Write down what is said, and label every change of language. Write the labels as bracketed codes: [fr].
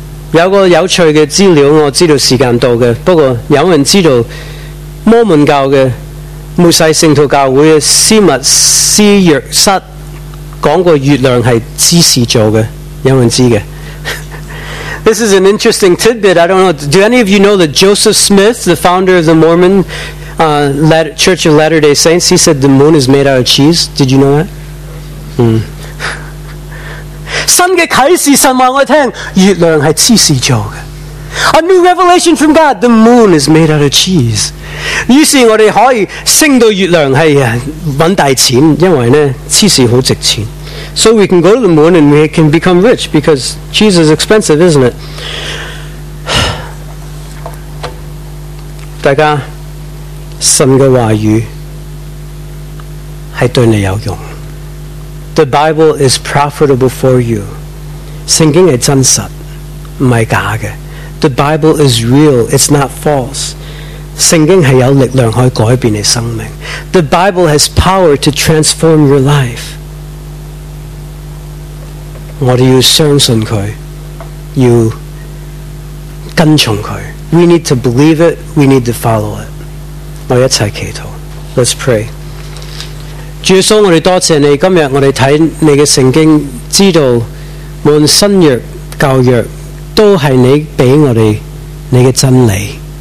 [zh] 有个有趣的资料，我知道时间到的，不过有人知道摩门教的末世圣徒教会的司密斯约瑟讲过月亮是指示座的，有人知的。 [en] This is an interesting tidbit. I don't know. Do any of you know that Joseph Smith, the founder of the Mormon Church of Latter-day Saints, he said the moon is made out of cheese? Did you know that? [zh] 新的启示，神话我听，月亮是芝士做的。 [en] A new revelation from God, the moon is made out of cheese. [zh] 于是我们可以升到月亮是赚大钱，因为呢芝士很值钱。 [en] So we can go to the moon and we can become rich because cheese is expensive, isn't it? [zh] 大家，神的话语是对你有用。 [en] The Bible is profitable for you. [zh] 圣经是真实，不是假的。 [en] The Bible is real, it's not false. [zh] 圣经是有力量可以改变你生命。 [en] The Bible has power to transform your life. [zh] 我们要相信祂，要跟从祂。 [en] We need to believe it, we need to follow it. [zh] 我一起祈祷。 [en] Let's pray. [zh] 主耶稣，我们多谢你，今天我们看你的圣经，知道无论新约、旧约，都是你给我们你的真理。